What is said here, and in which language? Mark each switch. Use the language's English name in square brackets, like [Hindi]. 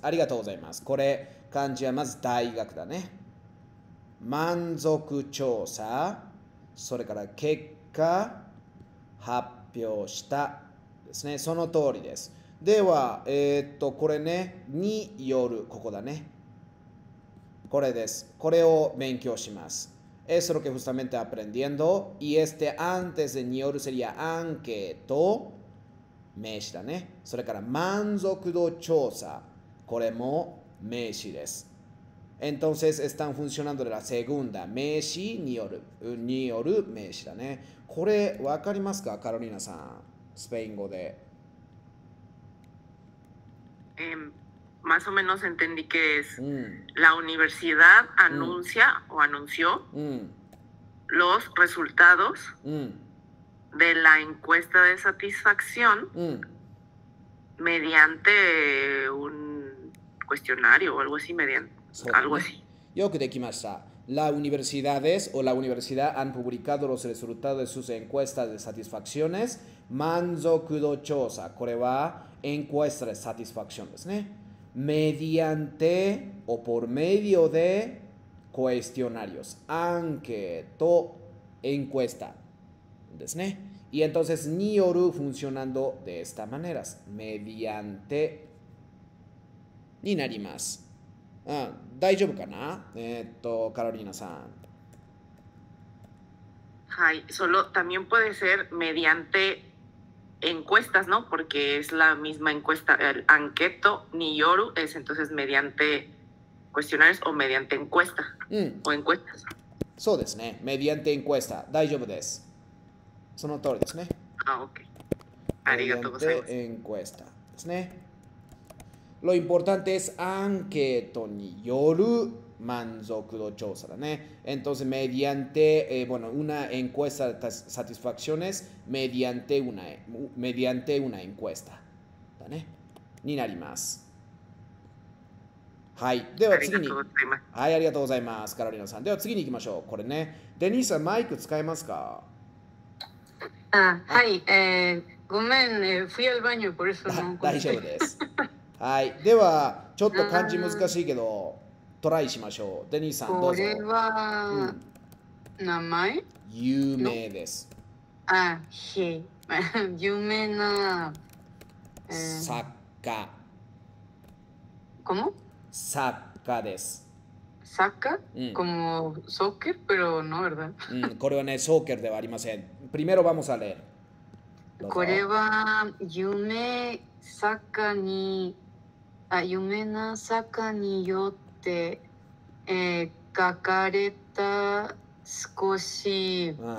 [Japanese] ありがとうございます。これ、漢字はまず大学だね。満足調査、それから結果発表したですね。その通りです。では、これね、による、ここだね。これです。これを勉強します。 [Spanish] Es lo que justamente aprendiendo. Y antes de による sería [Japanese] アンケート、名詞だね。それから満足度調査、これも名詞です。 [Spanish] Entonces están funcionando de la segunda, [Japanese] 名詞による、による名詞だね。これ分かりますか、カロリーナさん、スペイン語で。 [Spanish] Más o menos entendí que es、la universidad anuncia、o anunció、los resultados、de la encuesta de satisfacción、mediante un cuestionario o algo así, mediante. [Japanese] そうだね、よくできました。 [Spanish] La universidades o la universidad han publicado los resultados de sus encuestas de satisfacciones. [Japanese] 満足度調査。これは [Spanish] encuesta de satisfacción [Japanese] ですね。 [Spanish] Mediante o por medio de cuestionarios. Anqueto, encuesta ですね。 Y entonces, による funcionando de esta manera. [Japanese] Mediante になります。大丈夫かな、カロリーナさん。 [Spanish] はい、solo también puede ser mediante encuestas, ¿no? Porque es la misma encuesta, el Anketo Niyoru es entonces mediante cuestionarios o mediante encuesta o encuestas. [Japanese] そうですね。 [Spanish] mediante encuesta。 [Japanese] 大丈夫です。その通りですね。 Ah, ok. ありがとうござい [Spanish] mediante [Japanese] ます。 encuesta ですね。 [Spanish] Lo importante es [Japanese] anqueto による manzokudo chousa da ne. [Spanish] Entonces, mediante, bueno, una encuesta de satisfacciones mediante una, mediante una encuesta. [Japanese] Da ne. Ni narimasu. はい、では次に、はい、ありがとうございます、カロリナさん。では次に行きましょう。これね、デニーさん、マイク使えますか？はい、ごめんね、フィアルバニュー、これその大丈夫です。はい、では、ちょっと漢字難しいけど、トライしましょう。デニーさん、どうぞ。これは、名前？有名です。あ、へ、有名な、作家。この？サッカーです。サッカー？ [Spanish] como soccer, pero no, ¿verdad? [Japanese] これはね、ソーケルではありません。 [Spanish] primero vamos a leer。 [Japanese] これは夢サッカーに、あ、夢なサッカーによって、書かれた少し、